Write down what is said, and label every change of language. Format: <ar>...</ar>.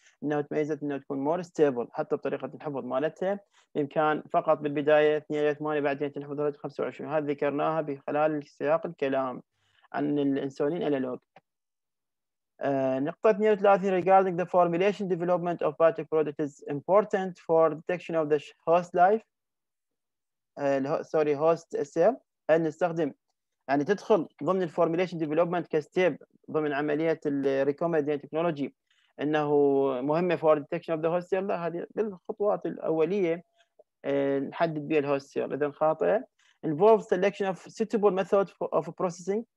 <ar>انه تميزت انه تكون مور ستيبل حتى بطريقه الحفظ مالتها، بامكان فقط بالبدايه 2 إلى 8 بعدين تنحفظ 25. هذه ذكرناها بخلال سياق الكلام عن الانسولين انالوج.</ar> <en>نقطة 32 regarding the formulation development of biotech product is important for detection of the host life sorry host cell.</en> <ar>هل نستخدم يعني تدخل ضمن الفورميليشن ديفلوبمنت كستيب ضمن عملية الريكومبيدنت تكنولوجي انه مهمة</ar> <en>For detection of the host cell?</en> <ar>هذه بالخطوات الاولية نحدد بها الهوست سيل اذا خاطئة.</ar> <en>Involve selection of suitable method of processing.</en>